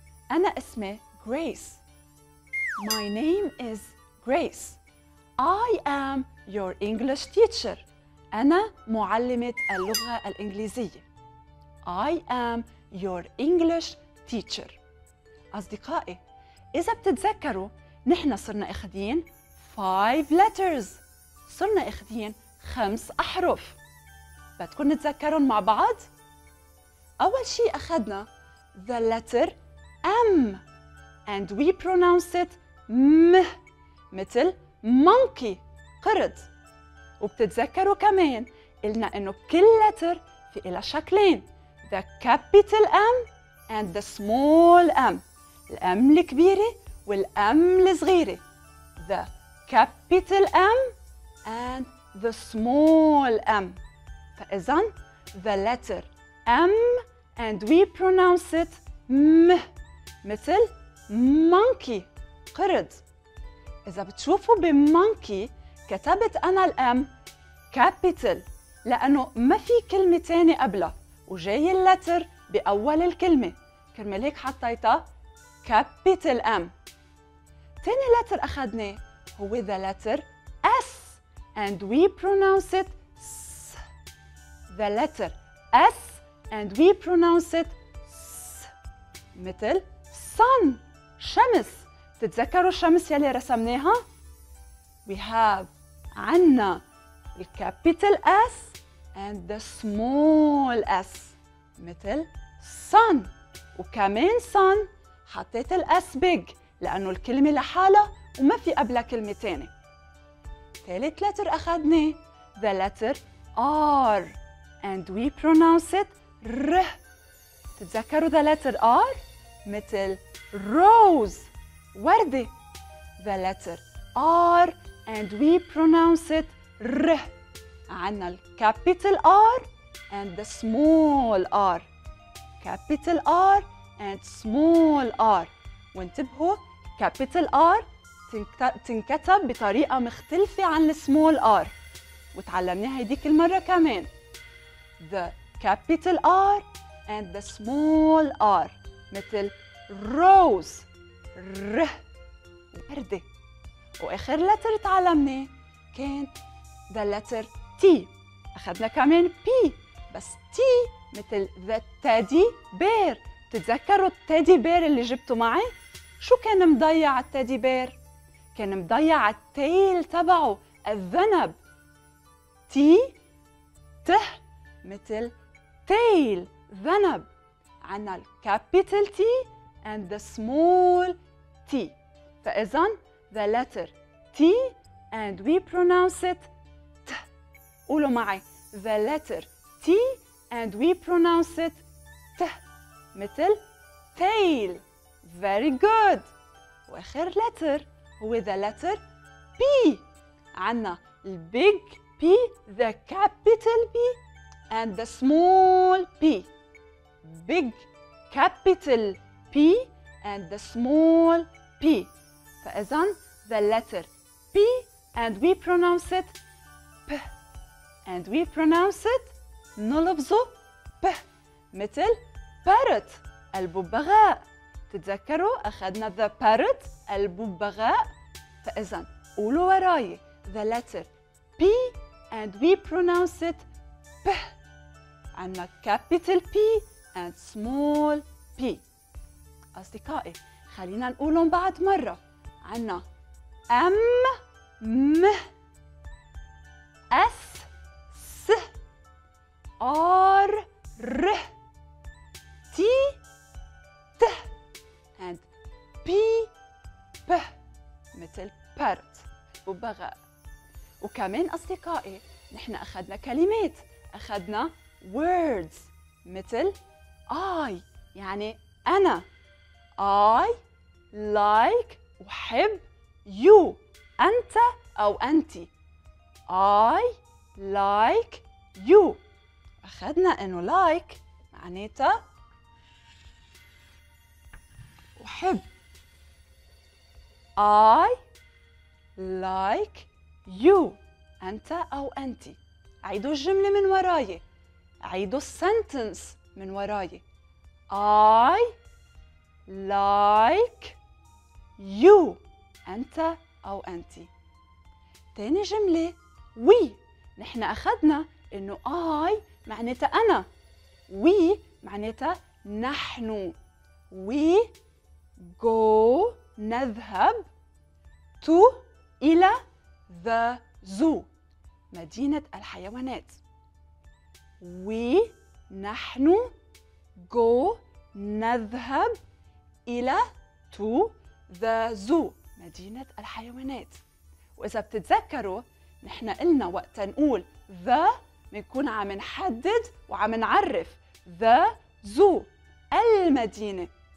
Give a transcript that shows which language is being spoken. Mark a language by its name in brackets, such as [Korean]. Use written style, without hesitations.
[Arabic] أنا اسمي Grace. [English] My name is Grace. I am your English teacher. [Arabic] أنا معلمة اللغة الإنجليزية. [English] I am your English teacher. [Arabic] أصدقائي، إذا بتتذكروا نحن صرنا أخذين [English] 5 letters. [Arabic] صرنا أخذين 5 أحرف. بدكن نتذكرهم مع بعض؟ أول شيء أخذنا [English] the letter M, and we pronounce it M, [Arabic] مثل monkey, قرد. وبتتذكروا كمان قلنا إنه كل [English] letter [Arabic] في إلها شكلين, [English] the capital M and the small M, [Arabic] الأم الكبيرة والأم الصغيرة, [English] the capital M and the small M. فإذا the letter M and we pronounce it M, [Arabic] مثل monkey, قرد. إذا بتشوفوا بmonkey كتبت أنا الأم capital لأنه ما في كلمة تانية قبلها وجاي اللتر بأول الكلمة، كرمال هيك حطيتها capital M. تاني لتر أخذناه هو [English] the letter S and we pronounce it S, the letter S and we pronounce it S, [Arabic] مثل sun, شمس. تتذكروا الشمس يلي رسمناها؟ [English] we have [Arabic] عنا الكابيتال S [English] and the small s مثل sun. [Arabic] وكمان sun حطيت ال s big لأنه الكلمة لحالة وما في قبلها كلمة تانية. ثالث letter أخذنا [English] the letter r and we pronounce it r. [Arabic] تتذكروا [English] the letter r [Arabic] مثل rose وردة. [English] The letter r and we pronounce it r. [Arabic] عنا ال [English] capital r and the small r. capital r and small r. [Arabic] وانتبهوا capital r تنكتب بطريقة مختلفة عن السمول r. وتعلمناها هيديك المرة كمان [English] the capital r and the small r [Arabic] مثل rose ر وردة. واخر letter تعلمناه كانت [English] the letter t. [Arabic] اخذنا كمان p بس t مثل [English] the teddy bear. [Arabic] تتذكروا التيدي بير اللي جبته معي؟ شو كان مضيع التيدي بير؟ كان مضيع التيل تبعه الذنب. تي ته مثل تيل ذنب. عنا الكابيتل تي [English] and the small [Arabic] تي. فإذا [English] the letter T and we pronounce it ت. [Arabic] قولوا معي [English] the letter T and we pronounce it ت [Arabic] مثل tail. [English] Very good. [Arabic] واخر [English] letter هو the letter P. [Arabic] عنا البيج [English] P, the capital P and the small P. Big capital P and the small P. [Arabic] فإذا [English] the letter P and we pronounce it P. And we pronounce it [Arabic] نلفظه P مثل parrot الببغاء. تتذكروا أخذنا [English] the parrot [Arabic] الببغاء. فإذا قولوا وراي [English] the letter P and we pronounce it P. [Arabic] عنا [English] capital P and small P. [Arabic] أصدقائي خلينا نقولهم بعد مرة. عنا [English] M M S S R R T T and P P [Arabic] مثل parrot ببغاء. وكمان أصدقائي نحن أخذنا كلمات. أخذنا words مثل I يعني أنا. [English] I like [Arabic] أحب [English] you [Arabic] أنت أو أنتي. [English] I like you. [Arabic] أخذنا إنه [English] like [Arabic] معناتها أحب. [English] I like you [Arabic] أنت أو أنتي. عيدوا الجملة من وراي. عيدوا السنتنس من وراي. [English] I like you [Arabic] أنت أو أنتي. تاني جملة [English] we. [Arabic] نحن أخذنا إنه I معناتها أنا. [English] We [Arabic] معناتها نحن. [English] We go [Arabic] نذهب [English] to [Arabic] إلى [English] the zoo [Arabic] مدينة الحيوانات. [English] We [Arabic] نحن [English] go [Arabic] نذهب إلى [English] to the zoo [Arabic] مدينة الحيوانات. وإذا بتتذكروا نحن قلنا وقت نقول the بنكون عم نحدد وعم نعرف [English] the zoo [Arabic] المدينة.